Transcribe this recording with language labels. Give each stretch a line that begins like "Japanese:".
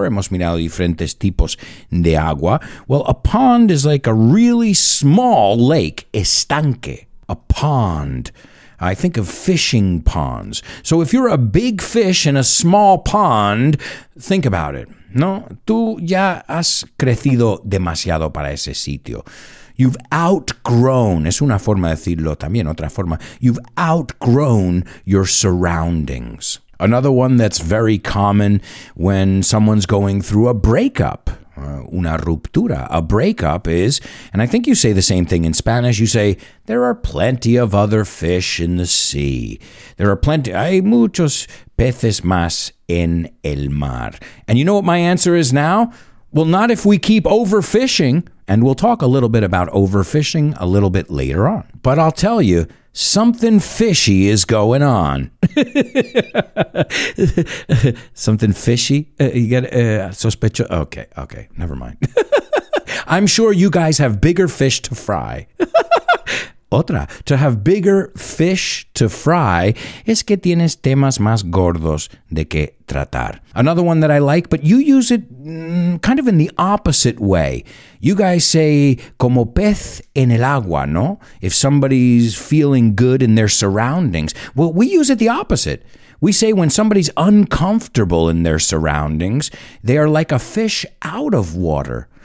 Spanish: Hemos mirado diferentes tipos de agua.
English: Well, a pond is like a really small lake, estanque, a pond. I think of fishing ponds. So if you're a big fish in a small pond, think about it.
Spanish: No, tú ya has crecido demasiado para ese sitio.
English: You've outgrown,
Spanish: es una forma de decirlo también, otra forma.
English: You've outgrown your surroundings. Another one that's very common when someone's going through a breakup,
Spanish: una ruptura.
English: A breakup is, and I think you say the same thing in Spanish, you say, there are plenty of other fish in the sea. There are plenty,
Spanish: hay muchos peces más en el mar.
English: And you know what my answer is now? Well, not if we keep overfishing. And we'll talk a little bit about overfishing a little bit later on. But I'll tell you, something fishy is going on. Something fishy? You get sospecho? Okay, never mind. I'm sure you guys have bigger fish to fry.
Spanish: Otra,
English: to have bigger fish to fry
Spanish: es que tienes temas más gordos de que tratar.
English: Another one that I like, but you use it kind of in the opposite way. You guys say,
Spanish: como pez en el agua, ¿no?
English: If somebody's feeling good in their surroundings. Well, we use it the opposite. We say when somebody's uncomfortable in their surroundings, they are like a fish out of water.